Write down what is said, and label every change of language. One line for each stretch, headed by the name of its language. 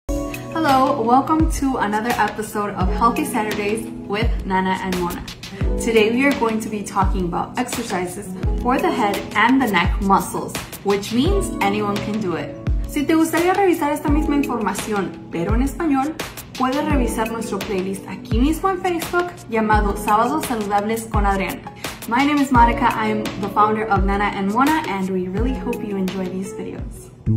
English: Hello, welcome to another episode of Healthy Saturdays with Nana and Mona. Today we are going to be talking about exercises for the head and the neck muscles, which means anyone can do it.
Spanish: Si te gustaría revisar esta misma información, pero en español, puedes revisar nuestro playlist aquí mismo en Facebook llamado Sábados Saludables con Adriana.
English: My name is Monica, I'm the founder of Nana and Mona, and we really hope you enjoy these videos.